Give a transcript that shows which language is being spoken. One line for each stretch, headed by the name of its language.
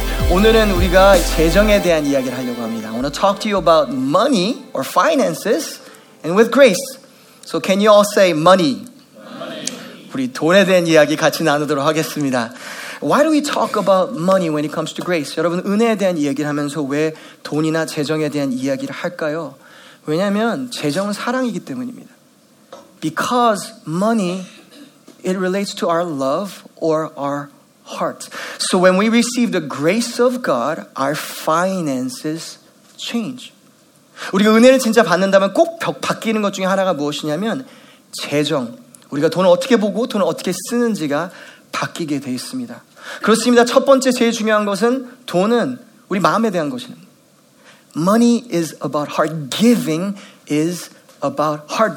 Korean: 오늘은 우리가 재정에 대한 이야기를 하려고 합니다.
English: I want to talk to you about money or finances and with grace. So can you all say money? Money.
Korean: 우리 돈에 대한 이야기 같이 나누도록 하겠습니다.
English: Why do we talk about money when it comes to grace?
Korean: 여러분, 은혜에 대한 이야기를 하면서 왜 돈이나 재정에 대한 이야기를 할까요? 왜냐하면 재정은 사랑이기 때문입니다.
English: Because money, it relates to our love or our heart. So when we receive the grace of God, our finances change.
Korean: 우리가 은혜를 진짜 받는다면 꼭 바뀌는 것 중에 하나가 무엇이냐면 재정, 우리가 돈을 어떻게 보고 돈을 어떻게 쓰는지가 바뀌게 돼 있습니다. 그렇습니다. 첫 번째 제일 중요한 것은 돈은 우리 마음에 대한 것입니다.
English: Money is about heart. Giving is about heart.